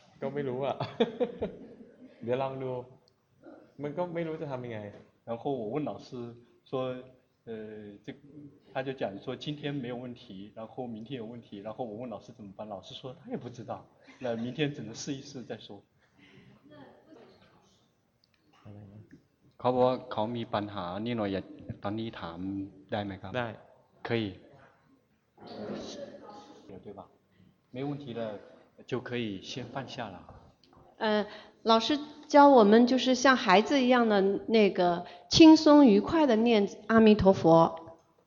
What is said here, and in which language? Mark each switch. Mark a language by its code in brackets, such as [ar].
[zh] 都没录啊，别浪录。 [th] มันก็ไม่รู้จะทำยังไง [zh] 然后我问老师说这他就讲说今天没有问题然后明天有问题然后我问老师怎么办老师说他也不知道那明天只能试一试再说 [th] เขาบอกเขามีปัญหานี่หน่อยอยากตอนนี้ถามได้ไหมครับ ได้ [zh] 可以有对吧没问题了就可以先放下了老师教我们就是像孩子一样的那个轻松愉快的念阿弥陀佛。